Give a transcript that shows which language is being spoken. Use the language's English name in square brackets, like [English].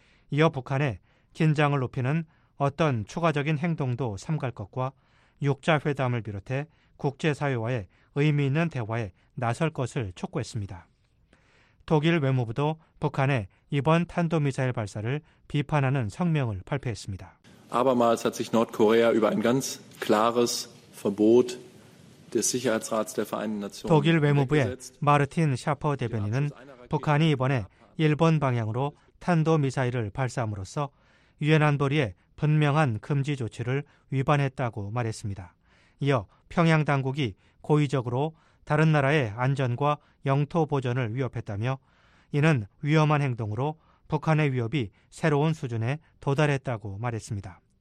[Korean] 이어 북한의 긴장을 높이는 어떤 추가적인 행동도 삼갈 것과 육자회담을 비롯해 국제사회와의 의미 있는 대화에 나설 것을 촉구했습니다. 독일 외무부도 북한의 이번 탄도미사일 발사를 비판하는 성명을 발표했습니다. [German] Abermals hat sich Nordkorea über ein ganz klares Verbot des Sicherheitsrats der Vereinten Nationen [Korean] 독일 외무부의 마르틴 샤퍼 대변인은 북한이 이번에 일본 방향으로 탄도미사일을 발사함으로써 유엔 안보리의 분명한 금지 조치를 위반했다고 말했습니다. 이어 평양 당국이 고의적으로 다른 나라의 안전과 영토 보전을 위협했다며 이는 위험한 행동으로 북한의 위협이 새로운 수준에 도달했다고 말했습니다.